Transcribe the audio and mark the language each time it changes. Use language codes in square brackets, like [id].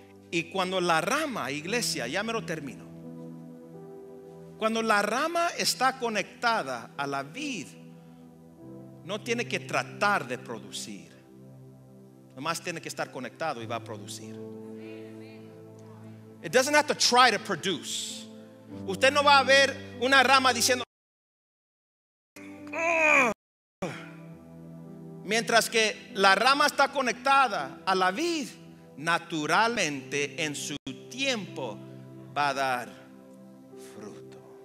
[es] Y cuando la rama, iglesia, ya me lo termino. Cuando la rama está conectada a la vid, no tiene que tratar de producir. Nomás tiene que estar conectado y va a producir. [en] It doesn't have to try to produce. [es] Usted no va a ver una rama diciendo, mientras que la rama está conectada a la vid, naturalmente en su tiempo va a dar fruto.